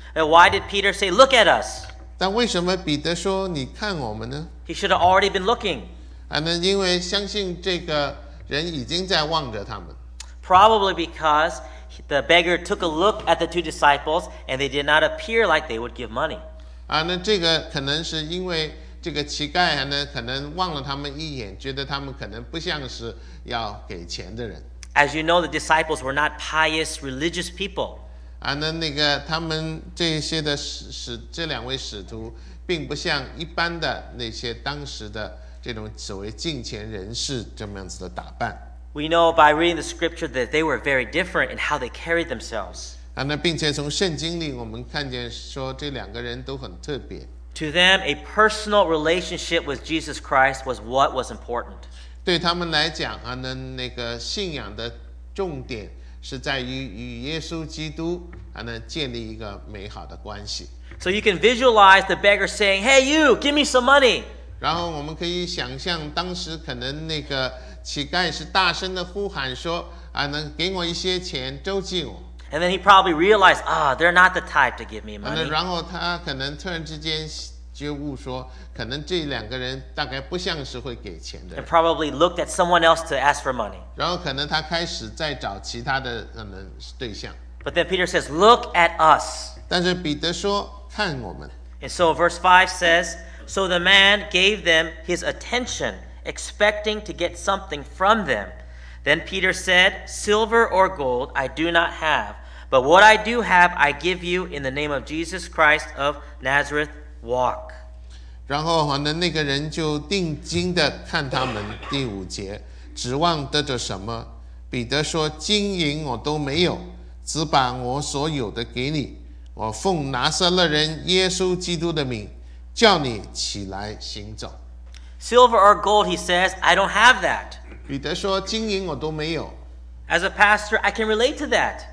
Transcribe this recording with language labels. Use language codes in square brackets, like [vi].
[en] And why did Peter say, look at us? [zh] 但为什么彼得说你看我们呢? [en] He should have already been looking. [zh] 因为相信这个人已经在望着他们。 [en] Probably because the beggar took a look at the two disciples, and they did not appear like they would give money. [zh] 啊，那这个可能是因为这个乞丐呢，可能望了他们一眼，觉得他们可能不像是要给钱的人。 [en] As you know, the disciples were not pious religious people. [zh] 啊，那个他们这些的这两位使徒，并不像一般的那些当时的这种所谓敬虔人士这么样子的打扮。 [en] We know by reading the scripture that they were very different in how they carried themselves. [zh] 啊，那并且从圣经里我们看见说这两个人都很特别。 [en] To them, a personal relationship with Jesus Christ was what was important. [zh] 对他们来讲啊，那个信仰的重点是在于与耶稣基督啊，那建立一个美好的关系。 [en] So you can visualize the beggar saying, "Hey, you, give me some money." [zh] 然后我们可以想象当时可能那个乞丐是大声的呼喊说啊，能给我一些钱周济我。 [en] And then he probably realized, ah,、oh, they're not the type to give me money. [zh] 然后他可能突然之间觉悟说，可能这两个人大概不像是会给钱的。 [en] And probably looked at someone else to ask for money. [zh] 然后可能他开始在找其他的可能对象。 [en] But then Peter says, look at us. [zh] 但是彼得说，看我们。 [en] And so verse 5 says, so the man gave them his attention, expecting to get something from them. Then Peter said, Silver or gold I do not have, but what I do have I give you in the name of Jesus Christ of Nazareth, walk. [zh] 然后那个人就定睛地看他们，第五节，指望得着什么？彼得说，金银我都没有，只把我所有的给你，我奉拿撒勒人耶稣基督的名，叫你起来行走。 [en] Silver or gold, he says, I don't have that. [zh] 彼得说：“金银我都没有。” [en] As a pastor, I can relate to that.